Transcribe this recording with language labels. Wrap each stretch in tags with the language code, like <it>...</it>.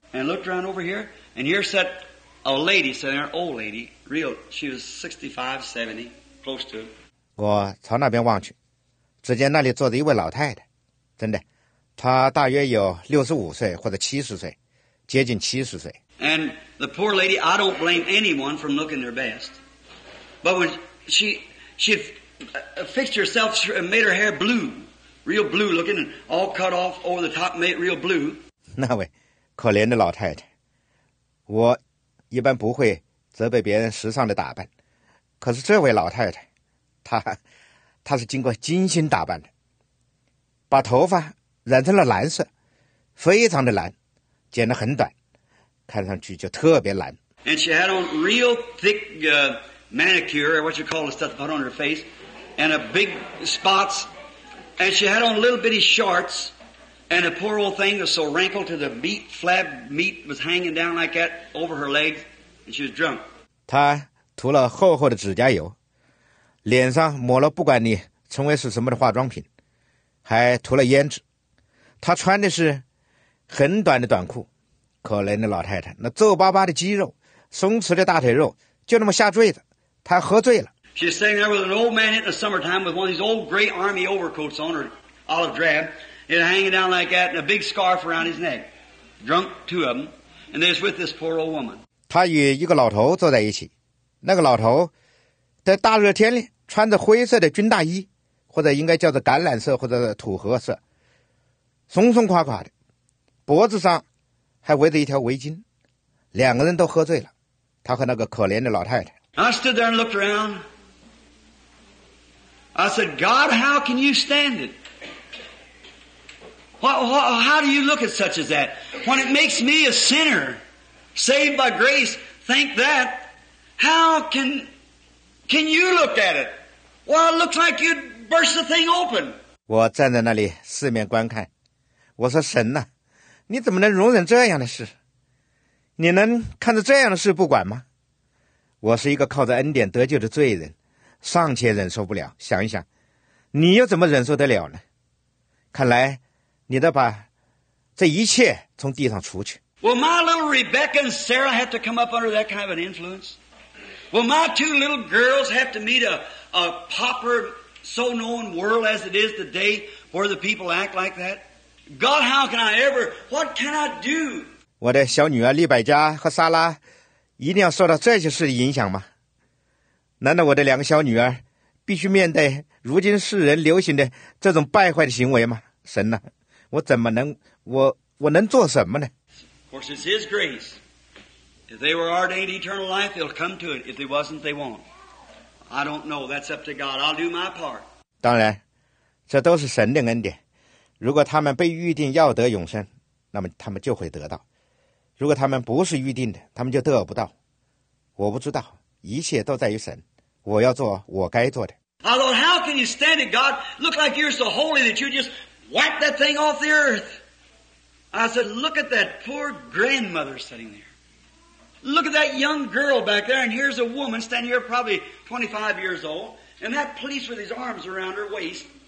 <en>And I looked around over here, and here sat a lady, sat there, an old lady, real, she was 65, 70, close to it.</en> <zh>我朝那边望去，只见那里坐着一位老太太，真的，她大约有65岁或者70岁，接近70岁。</zh> <en>And the poor lady, I don't blame anyone from looking their best. But when she had fixed herself and made her hair blue, real blue looking, and all cut off over the top, made real blue.</en> <zh>那位可怜的老太太，我一般不会责备别人时尚的打扮，可是这位老太太，她是经过精心打扮的，把头发染成了蓝色，非常的蓝，剪得很短。看上去就特别蓝。</zh> <en>And she had on real thick manicure, or what you call the stuff to put on her face, and a big spots. And she had on little bitty shorts, and the poor old thing was so wrinkled to the meat, flab meat was hanging down like that over her legs, and she was drunk.</en> <zh>她涂了厚厚的指甲油，脸上抹了不管你称为是什么的化妆品，还涂了胭脂。她穿的是很短的短裤。可怜的老太太，那皱巴巴的肌肉，松弛的大腿肉，就那么下坠着。她喝醉了。</zh> <en>She's standing there with an old man in the summertime with one of these old gray army overcoats on, or olive drab, and hanging down like that, and a big scarf around his neck. Drunk, two of them, and they're with this poor old woman.</en> <zh>她与一个老头坐在一起，那个老头在大热天里穿着灰色的军大衣，或者应该叫做橄榄色或者土褐色，松松垮垮的，脖子上还围着一条围巾，两个人都喝醉了，他和那个可怜的老太太。</zh> <en>I stood there and looked around. I said, God, how can you stand it? How do you look at such as that? When it makes me a sinner, saved by grace, think that, how can you look at it? Well, it looks like you'd burst the thing open.</en> <zh>我站在那里四面观看，我说神呐，你怎么能容忍这样的事？你能看着这样的事不管吗？我是一个靠着恩典得救的罪人，尚且忍受不了，想一想，你又怎么忍受得了呢？看来你得把这一切从地上除去。</zh> <en>Will my little Rebecca and Sarah have to come up under that kind of an influence? Will my two little girls have to meet a pauper so known world as it is today where the people act like that? God, how can I ever? What can I do?</en> <zh>我的小女儿利百加和莎拉一定要受到这些事的影响吗？难道我的两个小女儿必须面对如今世人流行的这种败坏的行为吗？神呐，我怎么能我能做什么呢？</zh> <en>Of course, it's His grace. If they were ordained eternal life, they'll come to it. If they wasn't, they won't. I don't know. That's up to God. I'll do my part.</en> <zh>当然，这都是神的恩典。如果他们被预定要得永生，那么他们就会得到；如果他们不是预定的，他们就得不到。我不知道，一切都在于神。我要做我该做的。</zh> <en>I thought, how can you stand it, God? Look like you're so holy that you just wipe that thing off the earth. I said, look at that poor grandmother sitting there. Look at that young girl back there, and here's a woman standing here, probably 25 years old, and that police with his arms around her waist.</en>